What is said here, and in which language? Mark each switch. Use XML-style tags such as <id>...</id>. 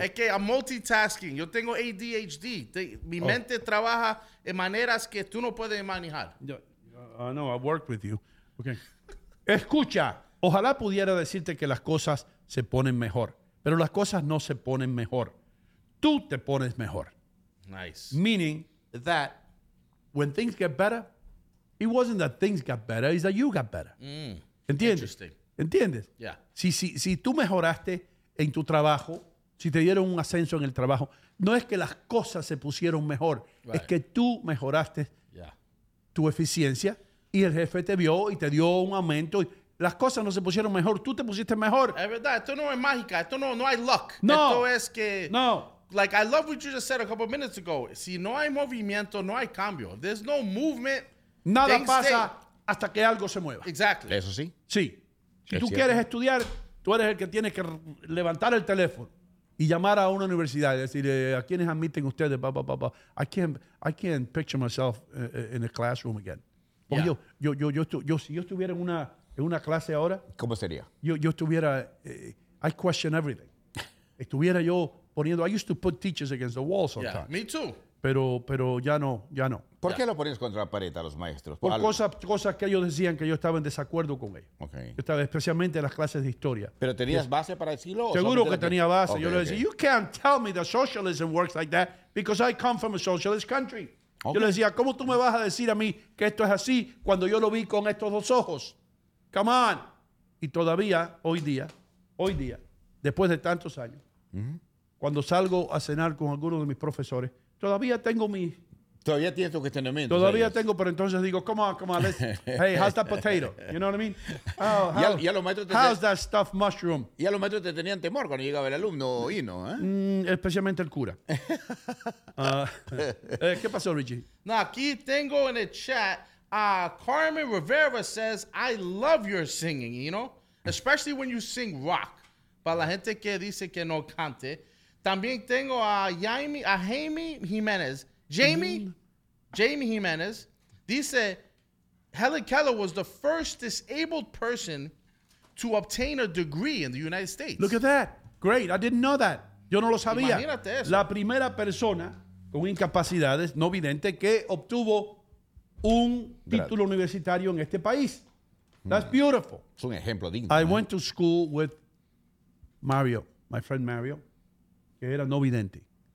<es>Es que</es> <en>I'm multitasking.</en> <es>Yo tengo ADHD. Mi mente trabaja en maneras que tú no puedes manejar.</es> <en>No, I worked with you. Okay.</en> <es>Escucha, ojalá pudiera decirte que las cosas se ponen mejor. Pero las cosas no se ponen mejor. Tú te pones mejor.</es> <en>Nice. Meaning that when things get better, it wasn't that things got better, it's that you got better. Mm.</en> <es>¿Entiendes? ¿Entiendes?</es> <en>Yeah.</en> <es>Si tú mejoraste en tu trabajo, si te dieron un ascenso en el trabajo, no es que las cosas se pusieron mejor, right. Es que tú mejoraste tu eficiencia y el jefe te vio y te dio un aumento. Las cosas no se pusieron mejor, tú te pusiste mejor. Es verdad, esto no es mágica, esto no hay luck. No. Esto es que... No.</es> <en>Like, I love what you just said a couple of minutes ago.</en> <es>Si no hay movimiento, no hay cambio.</es> <en>There's no movement.</en> <es>Nada pasa... Stay. Hasta que algo se mueva.</es> <en>Exactly.</en> <es>Eso sí. Sí. Si tú quieres estudiar, tú eres el que tiene que levantar el teléfono y llamar a una universidad y decir, ¿a quiénes admiten ustedes?</es> <en>Bah, bah, bah, bah. I can't picture myself in a classroom again.</en> <es>Porque yo estuviera en una clase ahora. ¿Cómo sería? Yo estuviera,</es> <en>I question everything.</en> <es>Estuviera yo poniendo,</es> <en>I used to put teachers against the wall sometimes. Yeah, me too.</en> <es>Pero ya no. ¿Por qué lo ponías contra la pared a los maestros? Por cosas que ellos decían que yo estaba en desacuerdo con ellos.</es> <en>Okay.</en> <es>Yo estaba especialmente en las clases de historia. ¿Pero tenías base para decirlo? Seguro que tenía base.</es> <en>Okay,</en> <es>yo le decía,</es> <en>you can't tell me that socialism works like that because I come from a socialist country.</en> <es>Okay. Yo le decía, ¿cómo tú me vas a decir a mí que esto es así cuando yo lo vi con estos dos ojos?</es> <en>Come on.</en> <es>Y todavía, hoy día, después de tantos años, cuando salgo a cenar con algunos de mis profesores, todavía tengo mi... Todavía tienes tu cuestionamiento. Todavía tengo, pero entonces digo,</es> <en>come on, let's... Hey, how's that potato? You know what I mean? How's that stuffed mushroom?</en> <es>Y a los maestros te tenían temor cuando llegaba el alumno Hino, ¿eh? Especialmente el cura. ¿Qué pasó, Richie? No, aquí tengo en el chat, Carmen Rivera</es> <en>says, I love your singing, you know? Especially when you sing rock.</en> <es>Para la gente que dice que no cante... También tengo a Jaime Jimenez. Dice, Helen Keller was the first disabled person to obtain a degree in the United States.</es> <en>Look at that. Great. I didn't know that.</en> <es>Yo no lo sabía. Imagínate eso. La primera persona con incapacidades no vidente que obtuvo un título universitario en este país.</es> <en>That's beautiful.</en> <es>Es un ejemplo digno.</es> <en>I went to school with Mario, my friend Mario,</en> <es>que era no vidente.</es>